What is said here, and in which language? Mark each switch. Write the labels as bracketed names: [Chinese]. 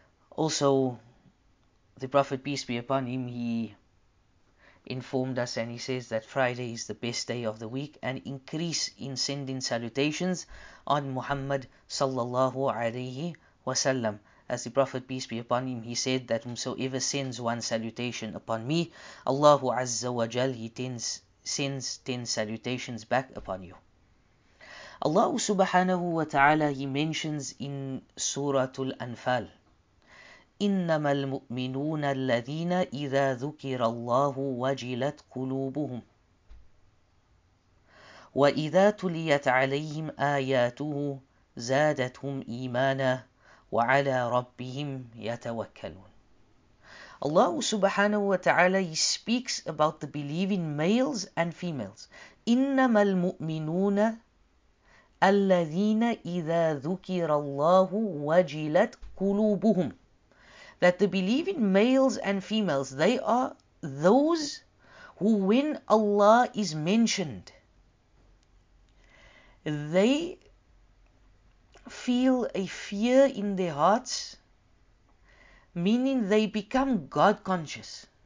[English] Also, the Prophet, peace be upon him, he informed us and he says that Friday is the best day of the week, and increase in sending salutations on Muhammad sallallahu alayhi wa sallam. As the Prophet, peace be upon him, he said that whosoever sends one salutation upon me, Allahu azza wa jal, he sends 10 salutations back upon you. Allah subhanahu wa ta'ala, he mentions in Suratul Anfal, [Arabic] إنما المؤمنون الذين إذا ذكر الله وجلت قلوبهم وإذا تليت عليهم آياته زادتهم إيمانا وعلى ربهم يتوكلون. [English] Allah subhanahu wa ta'ala, he speaks about the believing males and females. [Arabic] إنما المؤمنون الذين إذا ذكر الله وجلت قلوبهم. [English] That the believing males and females, they are those who, when Allah is mentioned, they feel a fear in their hearts, meaning they become God conscious.